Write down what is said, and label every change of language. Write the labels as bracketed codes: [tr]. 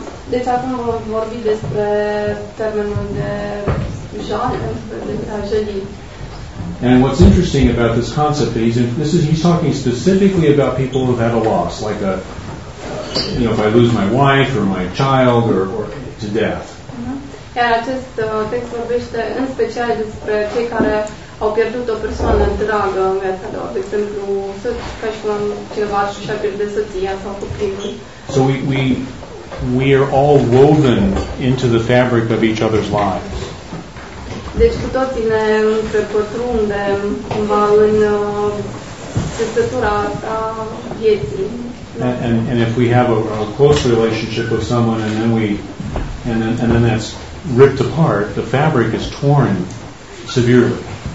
[ro] Deci acum vorbim despre termenul de tragedie. [en] And what's interesting about this concept is he's talking specifically about people who've had a loss, like if I lose my wife or my child or to death. [ro] Iar acest text vorbește în special despre cei care au pierdut o persoană dragă în viața lor, de exemplu, ca și cum cineva și-a pierdut soția sau copilul. [en] So we are all woven into the fabric of each other's lives. [ro] Deci cu toții ne întrepătrundem cumva în țesătura asta vieții. [en] And if we have a close relationship with someone and then that's ripped apart, the fabric is torn severely.